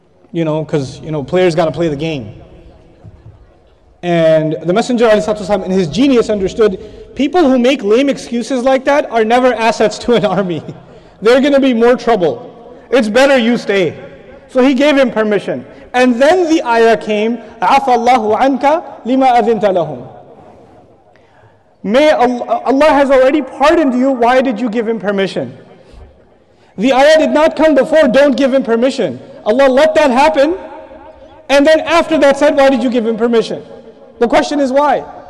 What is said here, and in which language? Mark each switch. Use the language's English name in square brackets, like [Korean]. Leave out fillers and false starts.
[English] You know, because, you know, players got to play the game. And the Messenger, in his genius, understood people who make lame excuses like that are never assets to an army. They're going to be more trouble. It's better you stay. So he gave him permission. And then the ayah came, [Arabic] عَفَى اللَّهُ عَنْكَ لِمَا أَذِنْتَ لَهُمْ. [English] May Allah has already pardoned you, why did you give him permission? The ayah did not come before, don't give him permission. Allah let that happen, and then after that said, why did you give him permission? The question is why?